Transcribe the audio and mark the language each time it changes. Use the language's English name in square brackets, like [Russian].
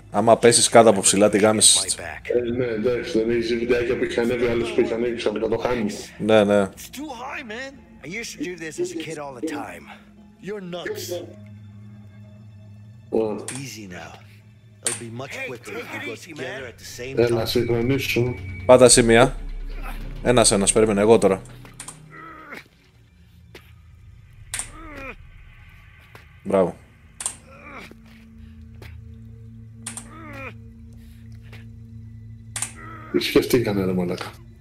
[Greek] Άμα πέσεις κάτω από ψηλά, τη γάμισες. Ναι, εντάξει, δεν έχεις βιντεάκια που είχαν έβει, άλλες που είχαν έξω, μετά το χάνεις. Ναι, ναι. [English] It's too high, man. I used to do this as a kid all the time. You're nuts. Easy now. It'll be much quicker if you go together at the same time. [Greek] Έλα, συγχρονίσου. Πάτα σημεία. Ένας, ένας, περίμενε εγώ τώρα. Μπράβο. Σκεφτήκανε ρε μαλάκα.